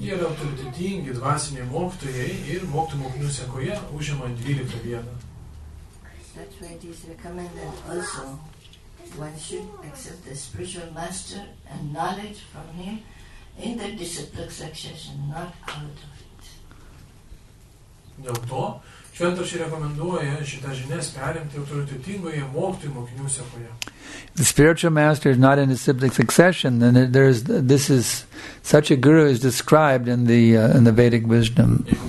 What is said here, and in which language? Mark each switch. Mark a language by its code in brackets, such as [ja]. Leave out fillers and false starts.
[en] That's why it is recommended also, one should accept the spiritual master and knowledge from him in the disciplic succession, not out of it. [lt] Dėl to šventraščiai rekomenduoja šitą žinias perimti autoritetingoje mokytojų mokinių sekoje. [en] The spiritual master is not in a sibling succession, and there is this is such a guru is described in the Vedic wisdom.